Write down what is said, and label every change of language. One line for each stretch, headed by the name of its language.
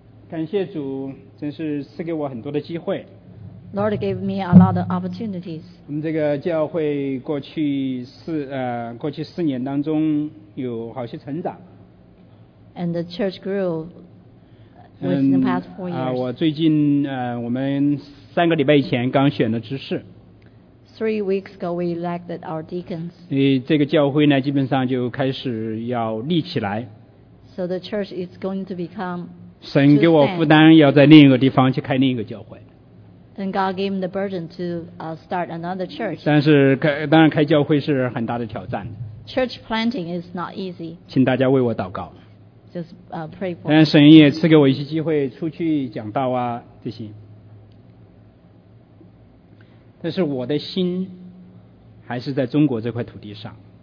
Chinese: 感谢主，真是赐给我很多的机会。
English: Lord gave me a lot of opportunities.
Chinese: 我们这个教会过去四年当中有好些成长。
English: And the church grew within the past 4 years.
Chinese: 我最近我们三个礼拜以前刚选了执事。
English: 3 weeks ago, we elected our deacons.
Chinese: 这个教会呢，基本上就开始要立起来。
English: So the church is going to become.
Chinese: 神给我负担，要在另一个地方去开另一个教会。
English: And God gave him the burden to start another church.
Chinese: 但是当然开教会是很大的挑战。
English: Church planting is not easy.
Chinese: 请大家为我祷告。
English: Just pray for.
Chinese: 但神也赐给我一些机会出去讲道啊这些。但是我的心还是在中国这块土地上。